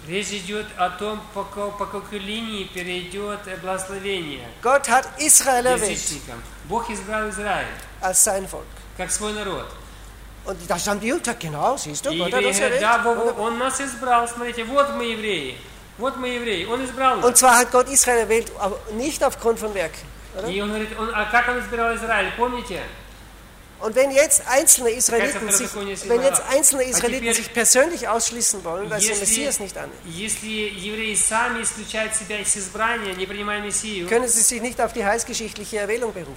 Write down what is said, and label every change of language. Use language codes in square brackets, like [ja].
[ru] Речь идет о том, по какой линии перейдет благословение. [de] Gott hat Israel erwählt. [ru] Бог избрал Израиль. [de] Als sein Volk. [ru] Как свой народ. [de] Und das sind die Juden, genau, siehst du, Gott hat uns erwählt. [ru] Да, он нас избрал, смотрите, вот мы евреи. Вот мы евреи, он избрал нас. [de] Und zwar hat Gott Israel erwählt, nicht aufgrund von Werken. [ru] И он говорит, а как он избрал Израиль, помните? [de] Und wenn jetzt einzelne Israeliten sich, wenn jetzt einzelne Israeliten sich persönlich ausschließen wollen, weil sie Messias nicht annehmen, können sie sich nicht auf die heilsgeschichtliche Erwählung